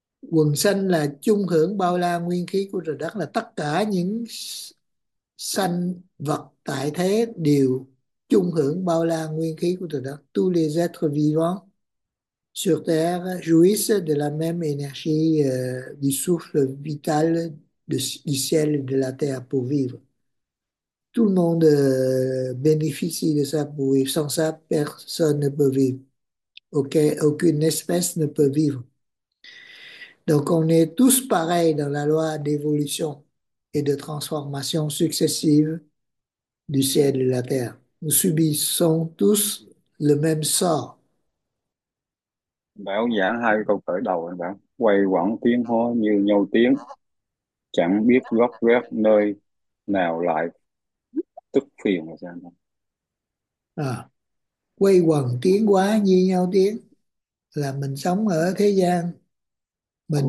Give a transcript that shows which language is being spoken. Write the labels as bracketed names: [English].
[Vietnamese] Quần sanh là chung hưởng bao la nguyên khí của trời đất, là tất cả những sanh vật tại thế đều chung hưởng bao la nguyên khí của trời đất. [French] Tous les êtres vivants sur terre jouissent de la même énergie, du souffle vital du ciel et de la terre pour vivre. Tout le monde bénéficie de ça pour vivre. Sans ça, personne ne peut vivre. Okay? Aucune espèce ne peut vivre. Donc, on est tous pareils dans la loi d'évolution et de transformation successive du ciel et de la terre. Nous subissons tous le même sort. [Vietnamese] Bảo giảng hai câu khởi đầu anh bạn quay quẩn tiếng hô như nhau tiếng chẳng biết gốc rác nơi nào lại tức phiền là sao anh? À, quây quần tiến hóa như nhau tiến là mình sống ở thế gian, mình